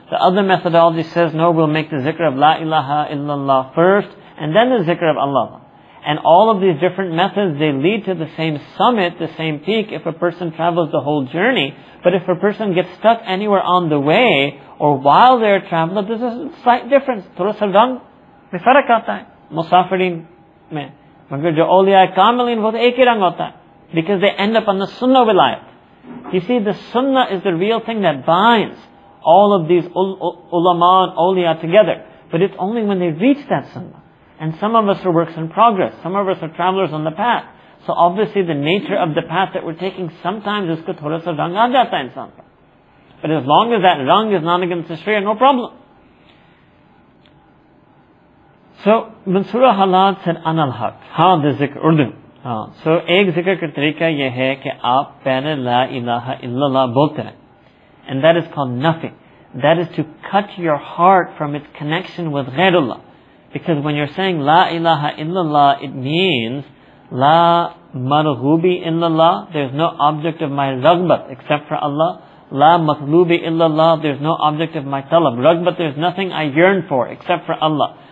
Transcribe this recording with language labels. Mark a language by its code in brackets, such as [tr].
[en] The other methodology says no, we'll make the zikr of la ilaha illallah first, and then the zikr of Allah. And all of these different methods, they lead to the same summit, the same peak, if a person travels the whole journey. But if a person gets stuck anywhere on the way, or while they're traveling, there's a slight difference. [ur] تھوڑا سا رنگ میں فرق آتا ہے۔ مسافرین میں۔ مگر جو اولیا ہے کاملین، وہ ایک ہی رنگ ہوتا ہے۔ [en] Because they end up on the sunnah wilayat. You see, the sunnah is the real thing that binds all of these ulama and awliya together. But it's only when they reach that sunnah. And some of us are works in progress. Some of us are travelers on the path. So obviously the nature of the path that we're taking, sometimes is [ur] ka thoda sa rang aa jata hai insaan par. [en] But as long as that rang is not against the Sharia, no problem. So, Mansur al-Hallaj said, Anal Haq. Ha, the zikr, Urdu. [ur] So, ایک ذکر کا طریقہ یہ ہے، کے آپ پہلے لا الہ الا اللہ بولتے رہے۔ [en] And that is called nafi. That is to cut your heart from its connection with ghairullah. Because when you're saying La ilaha illallah, it means [ar] La marghubi illallah, [en] there's no object of my ragbat except for Allah. [ar] La matlubi illallah, [en] there's no object of my talab. Ragbat, there's nothing I yearn for except for Allah.